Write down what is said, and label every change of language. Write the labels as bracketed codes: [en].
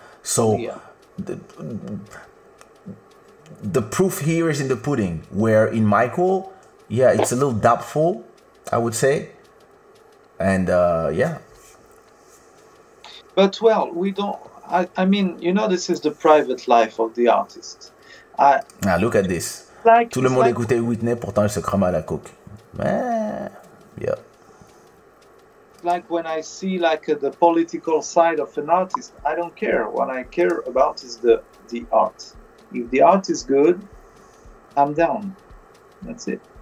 [en] So the proof here is in the pudding. Where in Michael, yeah, it's a little doubtful. I would say. And yeah. But well, we don't. I mean, you know, this is the private life of the artist. Now look at this. [fr] Like, tout le monde like, écoutait Whitney, pourtant il se crame à la coke. [en] Yeah. Like when I see like the political side of an artist, I don't care. What I care about is the art. If the art is good, I'm down. That's it.